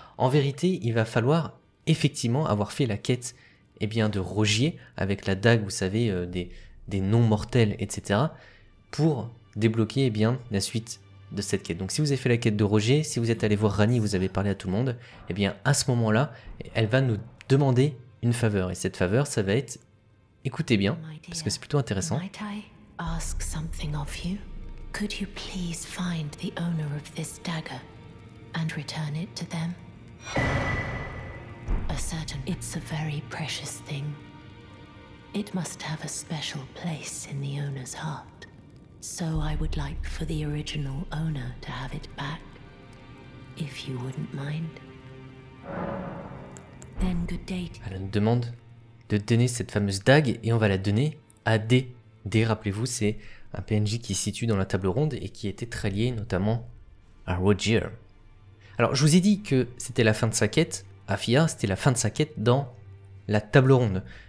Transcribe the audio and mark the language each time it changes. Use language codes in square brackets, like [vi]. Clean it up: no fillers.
[fr] En vérité, il va falloir effectivement avoir fait la quête, eh bien, de Rogier, avec la dague, vous savez, des non-mortels, etc., pour débloquer, eh bien, la suite de cette quête. Donc, si vous avez fait la quête de Rogier, si vous êtes allé voir Rani, vous avez parlé à tout le monde, eh bien, à ce moment-là, elle va nous demander une faveur. Et cette faveur, ça va être, écoutez bien, parce que c'est plutôt intéressant. [en] Ask something of you. Could you please find the owner of this dagger and return it to them? A certain it's a very precious thing. It must have a special place in the owner's heart. So I would like for the original owner to have it back, if you wouldn't mind. Then good day. [fr] Elle nous demande de donner cette fameuse dague et on va la donner à D. D, rappelez-vous, c'est un PNJ qui se situe dans la table ronde et qui était très lié notamment à Rogier. Alors, je vous ai dit que c'était la fin de sa quête à Fia, c'était la fin de sa quête dans la table ronde.